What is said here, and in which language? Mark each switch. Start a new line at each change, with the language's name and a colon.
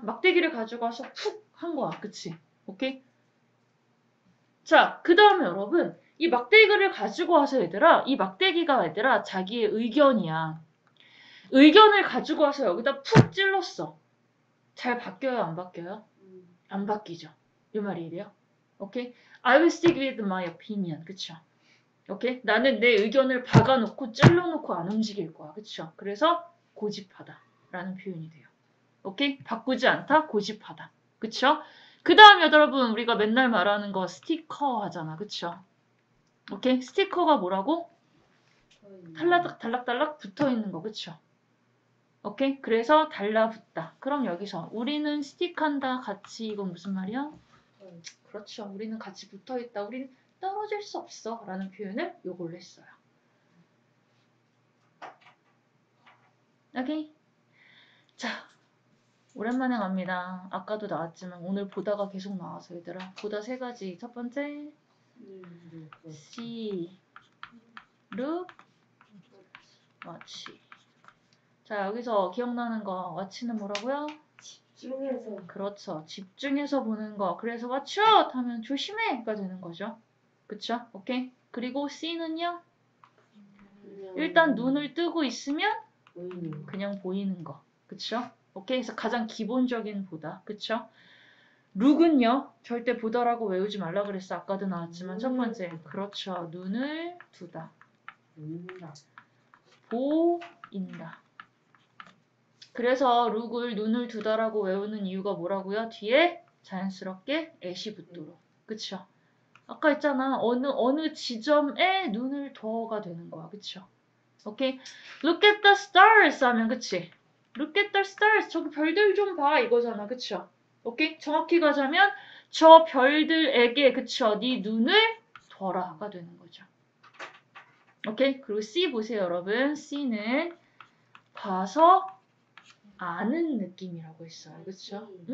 Korean: 막대기를 가지고 와서 푹 한 거야. 그치? 오케이? 자, 그 다음에 여러분 이 막대기를 가지고 와서 얘들아 이 막대기가 얘들아 자기의 의견이야. 의견을 가지고 와서 여기다 푹 찔렀어. 잘 바뀌어요? 안 바뀌어요? 안 바뀌죠. 이 말이 이래요.
English: 오케이? I will stick with my opinion.
Korean: 그쵸? 오케이? 나는 내 의견을 박아놓고 찔러놓고 안 움직일 거야. 그쵸? 그래서 고집하다 라는 표현이 돼요. 오케이? 바꾸지 않다? 고집하다. 그쵸? 그 다음 여러분 우리가 맨날 말하는 거 스티커 하잖아. 그쵸? 오케이? 스티커가 뭐라고? 탈라닥 달락달락 붙어있는 거. 그쵸? 오케이? 그래서 달라붙다. 그럼 여기서 우리는 스틱한다 같이 이건 무슨 말이야? 그렇죠. 우리는 같이 붙어있다. 우리는 떨어질 수 없어 라는 표현을 요걸로 했어요. 오케이? 자, 오랜만에 갑니다. 아까도 나왔지만 오늘 보다가 계속 나와서 얘들아 보다 세 가지. 첫 번째 see, look, watch. 자, 여기서 기억나는 거 watch는 뭐라고요? 집중해서. 그렇죠. 집중해서 보는 거. 그래서 watch out 하면 조심해 가 되는 거죠. 그쵸? 오케이? 그리고 see는요? 일단 눈을 뜨고 있으면 그냥 보이는 거. 그쵸? 오케이? 그래서 가장 기본적인 보다. 그쵸? 룩은요? 절대 보다라고 외우지 말라 그랬어. 아까도 나왔지만 첫 번째. 그렇죠. 눈을 두다. 보인다. 그래서 룩을 눈을 두다라고 외우는 이유가 뭐라고요? 뒤에 자연스럽게 at이 붙도록. 그쵸? 아까 했잖아. 어느 지점에 눈을 둬가 되는 거야. 그쵸? 오케이?
English: Look at the stars
Korean: 하면 그치?
English: Look at the stars.
Korean: 저기 별들 좀 봐. 이거잖아. 그쵸? 오케이? 정확히 가자면 저 별들에게 그쵸? 네 눈을 둬라가 되는 거죠. 오케이? 그리고 see 보세요, 여러분. see는 봐서 아는 느낌이라고 했어요. 그쵸?